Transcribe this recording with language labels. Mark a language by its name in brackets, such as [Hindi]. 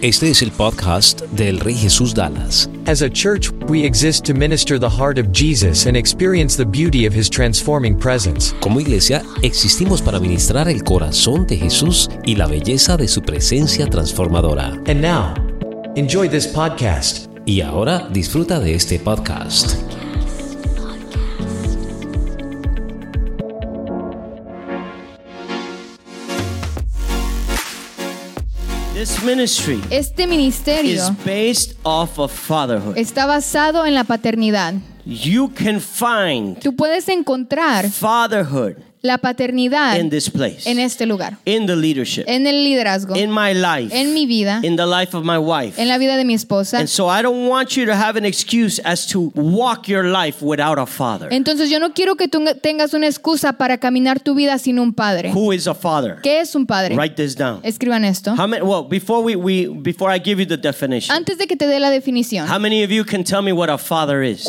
[Spanish] Este es el podcast del Rey Jesús Dallas. [English] As a church, we exist to minister the heart of Jesus and experience the beauty of His transforming presence. [Spanish] Como iglesia, existimos para ministrar el corazón de Jesús y la belleza de su presencia transformadora. [English] And now, enjoy this podcast. [Spanish] Y ahora, disfruta de este podcast. [English] This ministry [Spanish] este ministerio [English] is based off of fatherhood. [Spanish] Está basado en la paternidad. [English] You can find [Spanish] tú puedes encontrar [English] fatherhood [Spanish] la paternidad [English] in this place, [Spanish] en este lugar, [English] in the leadership, [Spanish] en el liderazgo, [English] in my life, [Spanish] en mi vida, [English] in the life of my wife, [Spanish] en la vida de mi esposa. [English] And so I don't want you to have an excuse as to walk your life without a father. [Spanish] Entonces yo no quiero que tú tengas una excusa para caminar tu vida sin un padre. [English] Who is a father? [Spanish] ¿Qué es un padre? [English] Write this down. [Spanish] Escriban esto. [English] How many, well, before before I give you the definition. [Spanish] Antes de que te dé la definición. [English] How many of you can tell me what a father is?